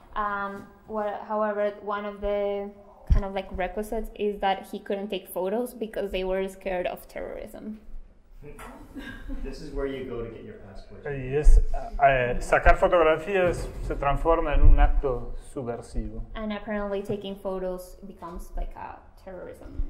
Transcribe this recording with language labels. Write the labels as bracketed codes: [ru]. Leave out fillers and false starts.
[en] However, one of the kind of like requisites is that he couldn't take photos because they were scared of terrorism. This is where you go to get your passport. Yes, [es] sacar fotografías se transforma en un acto subversivo. [en] And apparently taking photos becomes like a terrorism.